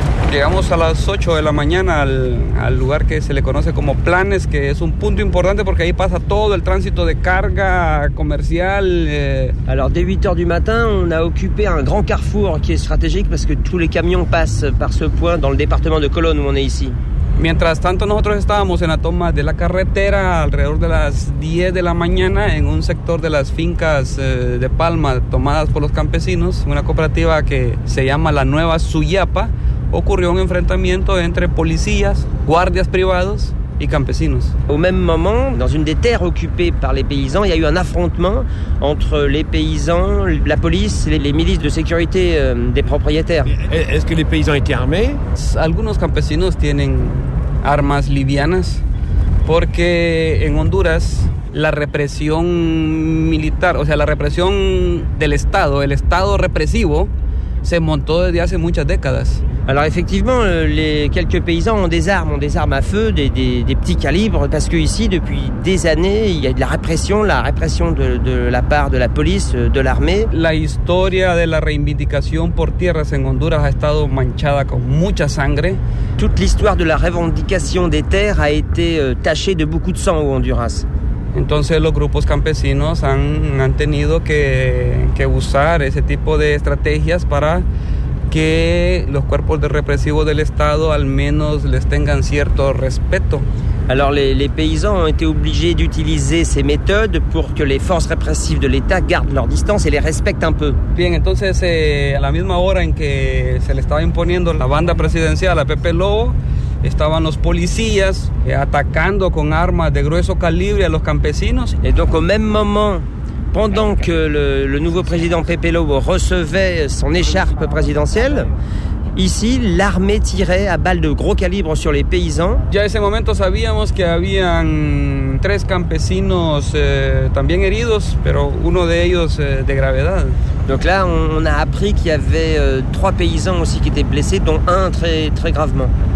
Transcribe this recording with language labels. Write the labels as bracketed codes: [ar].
[es] Llegamos a las 8 de la mañana al lugar que se le conoce como Planes, que es un punto importante porque ahí pasa todo el tránsito de carga comercial. [fr] Alors dès 8h du matin, on a occupé un grand carrefour qui est stratégique parce que tous les camions passent par ce point dans le département de Colón où on est ici. [es] Mientras tanto, nosotros estábamos en la toma de la carretera alrededor de las 10 de la mañana en un sector de las fincas de palma tomadas por los campesinos, una cooperativa que se llama La Nueva Suyapa. Ocurrió un enfrentamiento entre policías, guardias privados y campesinos. [fr] Au même moment, dans une des terres occupées par les paysans, il y a eu un affrontement entre les paysans, la police, les milices de sécurité des propriétaires. ¿Es que los paysans étaient armés? [es] Algunos campesinos tienen armas livianas porque en Honduras la represión militar, o sea, la represión del Estado, el Estado represivo, se montó desde hace muchas décadas. [fr] Alors effectivement, les quelques paysans ont des armes à feu, des petits calibres, parce que ici, depuis des années, il y a de la répression de la part de la police, de l'armée. [es] La historia de la reivindicación por tierras en Honduras ha estado manchada con mucha sangre. [fr] Toute l'histoire de la revendication des terres a été tachée de beaucoup de sang au Honduras. [es] Entonces los grupos campesinos han tenido que usar ese tipo de estrategias para que los cuerpos de represivos del Estado al menos les tengan cierto respeto. [fr] Alors les paysans ont été obligés d'utiliser ces méthodes pour que les forces répressives de l'État gardent leur distance et les respectent un peu. [es] Bien, entonces a la misma hora en que se le estaba imponiendo la banda presidencial a Pepe Lobo, estaban los policías atacando con armas de grueso calibre a los campesinos. [fr] Et donc au même moment, pendant que le nouveau président Pepe Lobo recevait son écharpe présidentielle, ici, l'armée tirait à balles de gros calibre sur les paysans. [es] Ya en ese momento sabíamos que habían tres campesinos también heridos, pero uno de ellos de gravedad. [fr] Donc là, on a appris qu'il y avait trois paysans aussi qui étaient blessés, dont un très, très gravement.